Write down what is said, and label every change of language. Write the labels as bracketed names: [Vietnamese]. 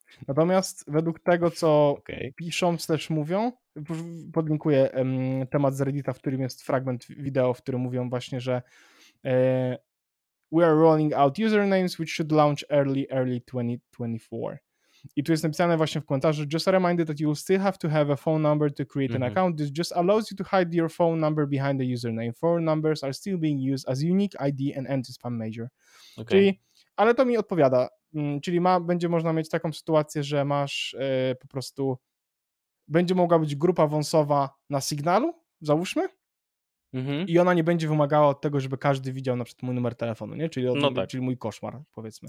[Polish] Natomiast według tego, co piszą, też mówią, podlinkuję temat z Reddita, w którym jest fragment wideo, w którym mówią właśnie, że [English] we are rolling out usernames, which should launch early 2024. [Polish] I tu jest napisane właśnie w komentarzu, [English] just a reminder that you will still have to have a phone number to create an account. This just allows you to hide your phone number behind the username. Phone numbers are still being used as unique ID and anti-spam measure. [Polish] Okay. Czyli, ale to mi odpowiada. Czyli będzie można mieć taką sytuację, że masz po prostu, będzie mogła być grupa wąsowa na Signalu, załóżmy, i ona nie będzie wymagała od tego, żeby każdy widział na przykład mój numer telefonu, nie? Czyli, czyli mój koszmar, powiedzmy.